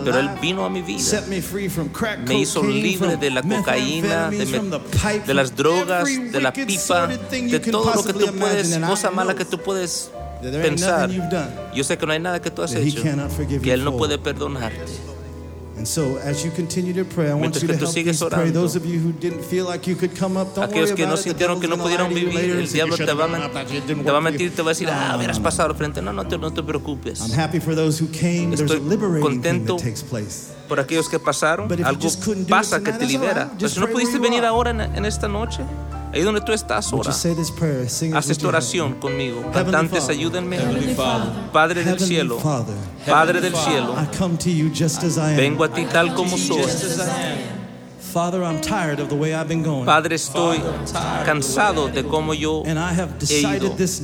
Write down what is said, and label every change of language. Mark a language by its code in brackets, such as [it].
[es] pero él vino a mi vida. [en] Set me free from crack cocaine, [es] me hizo libre de la cocaína, de las drogas, de la pipa, de todo lo que tú puedes, cosa mala que tú puedes pensar. Yo sé que no hay nada que tú has hecho que Él no puede perdonarte. [en] And so as you continue to pray, I want you to help us pray. Those of you who didn't feel like you could come up, don't worry about it. The devil's going to lie to you later. [es] El diablo te va a mentir, te va a decir, ah, hubieras pasado al frente. No, no te preocupes. [en] I'm happy for those who came. There's a liberating thing that takes place. [es] Por aquellos que pasaron, algo pasa que te libera. Pero si no pudiste venir ahora en esta noche, ahí donde tú estás ahora, haz esta oración conmigo. Cantantes, ayúdenme. Padre del cielo, Padre del cielo, vengo a ti tal como soy. [en] Father, I'm tired of the way I've been going. [es] Padre, estoy cansado de cómo yo he ido.